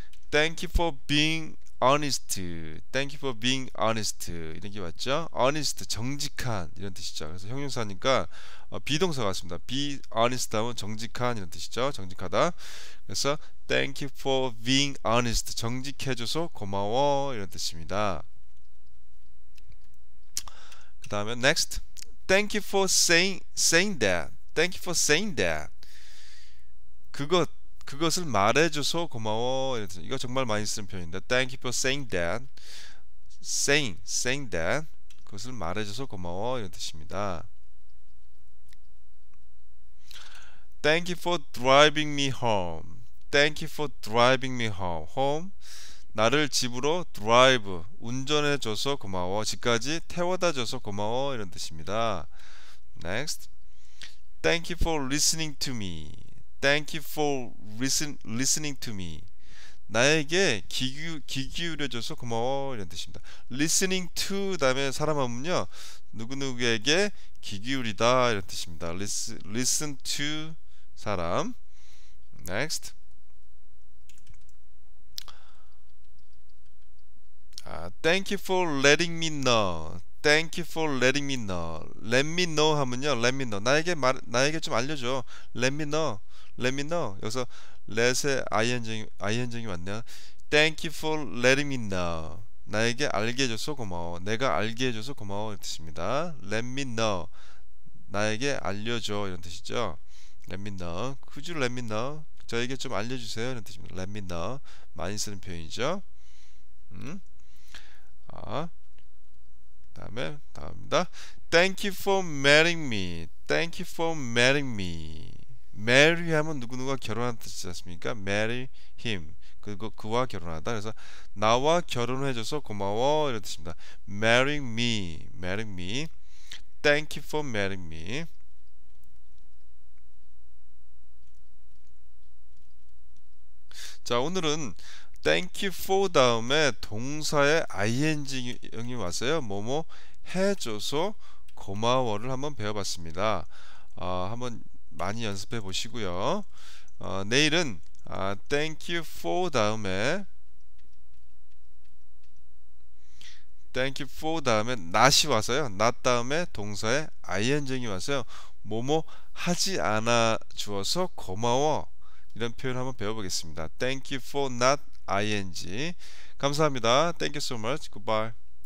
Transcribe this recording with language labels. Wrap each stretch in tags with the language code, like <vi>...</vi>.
<en>Thank you for being honest. Thank you for being honest.</en> <ko>이런 게 맞죠? Honest. 정직한. 이런 뜻이죠. 그래서 형용사니까 비동사 같습니다. Be honest 하면 정직한. 이런 뜻이죠. 정직하다. 그래서</ko> <en>Thank you for being honest.</en> <ko>정직해줘서 고마워. 이런 뜻입니다. 그 다음에 next.</ko> <en>Thank you for saying that. Thank you for saying that.</en> <ko>그것을 말해줘서 고마워. 이런 뜻. 이거 정말 많이 쓰는 표현인데.</ko> <en>Thank you for saying that. Saying that.</en> <ko>그것을 말해줘서 고마워. 이런 뜻입니다.</ko> <en>Thank you for driving me home. Thank you for driving me home. Home.</en> <ko>나를 집으로 drive, 운전해 줘서 고마워. 집까지 태워다 줘서 고마워. 이런 뜻입니다. Next.</ko> <en>Thank you for listening to me. Thank you for listening to me.</en> <ko>나에게 귀 기울여 줘서 고마워. 이런 뜻입니다. Listening to 다음에 사람 하면요, 누구누구에게 귀 기울이다. 이런 뜻입니다.</ko> <en>Listen to 사람. Next. 아, thank you for letting me know. Thank you for letting me know. Let me know 하면요, let me know.</en> <ko>나에게 말, 나에게 좀 알려줘.</ko> <en>Let me know. Let me know.</en> <ko>여기서 let에 ing이 왔네요.</ko> <en>Thank you for letting me know.</en> <ko>나에게 알게 해줘서 고마워. 내가 알게 해줘서 고마워. 이런 뜻입니다.</ko> <en>Let me know.</en> <ko>나에게 알려줘. 이런 뜻이죠.</ko> <en>Let me know. Could you let me know?</en> <ko>저에게 좀 알려주세요. 이런 뜻입니다.</ko> <en>Let me know.</en> <ko>많이 쓰는 표현이죠. 다음에 다음입니다.</ko> <en>Thank you for marrying me. Thank you for marrying me.</en> <ko>Marry 하면 누구누구가 결혼한 뜻이지 않습니까?</ko> <en>Marry him.</en> <ko>그리고 그와 결혼하다. 그래서 나와 결혼해줘서 고마워. 이런 뜻입니다.</ko> <en>Marrying me. Marrying me. Thank you for marrying me.</en> <ko>자, 오늘은 Thank you for 다음에 동사의 ing이 왔어요. 뭐뭐 해줘서 고마워를 한번 배워봤습니다. 한번 많이 연습해 보시고요. 내일은 Thank you for 다음에 Thank you for 다음에 not이 왔어요. not 다음에 동사의 ing이 왔어요. 뭐뭐 하지 않아 주어서 고마워. 이런 표현 한번 배워보겠습니다.</ko> <en>Thank you for not ing.</en> <ko>감사합니다.</ko> <en>Thank you so much. Goodbye.</en>